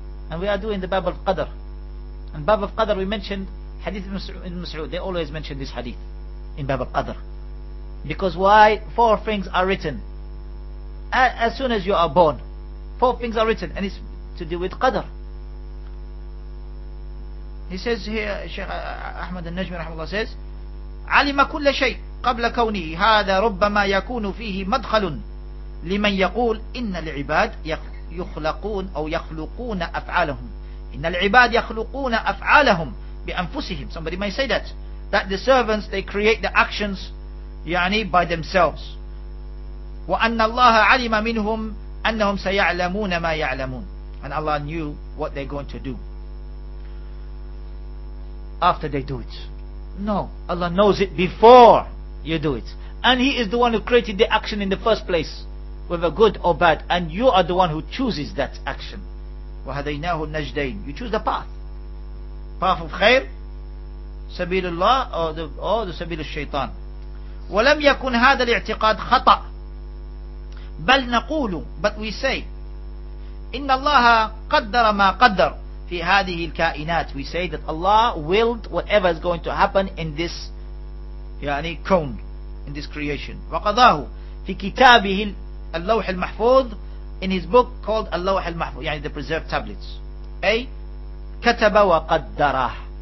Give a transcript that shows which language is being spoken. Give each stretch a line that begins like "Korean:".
English: And we are doing the Bab al-Qadr. And Bab al-Qadr, we mentioned Hadith ibn Mas'ud, they always mention this hadith in Bab al-Qadr. Because why? Four things are written. As soon as you are born, four things are written, and it's to do with Qadr. He says here, Shaykh Ahmad al-Najmi rahimahullah says,
Arabic: عَلِمَ كُلَّ شَيْءٍ قَبْلَ كَوْنِهِ هَذَا رُبَّمَا يَكُونُ فِيهِ مَدْخَلٌ لِمَنْ يَقُولُ إِنَّ الْعِبَادَ يُخْلَقُونَ أَوْ يَخْلُقُونَ أَفْعَالَهُمْ إِنَّ الْعِبَادَ يَخْلُقُونَ أَفْعَالَهُمْ بِأَنفُسِهِمْ.
English: Somebody may say that the servants, they create the actions, يعني, by themselves.
Arabic: وَأَنَّ اللَّهَ عَلِمَ مِنْهُمْ أَنَّهُمْ سَيَعْلَمُونَ مَا يَعْلَمُونَ.
English: And Allah knew what they're going to do after they do it. No, Allah knows it before you do it. And He is the one who created the action in the first place, whether good or bad. And you are the one who chooses that action.
Arabic: وَهَدَيْنَاهُ النَّجْدَيْنِ.
English: You choose the path. Path of khair, sabilullah, or the sabil of shaitan.
Arabic: وَلَمْ يَكُنْ هَذَا الْاِعْتِقَادْ خَطَأ بَلْ نَقُولُ.
English: But we say,
Arabic: إِنَّ اللَّهَ قَدَّرَ مَا قَدَّرْ فِي هَذِهِ الْكَائِنَاتِ.
English: We say that Allah willed whatever is going to happen in this, يعني, كون, in this creation.
Arabic: وَقَضَاهُ فِي كِتَابِهِ اللَّوْحِ الْمَحْفُوظِ.
English: In his book called اللَّوْحِ الْمَحْفُوظِ, يعني the preserved tablets.
Arabic: A. كَتَبَ وَقَدَّرَهُ.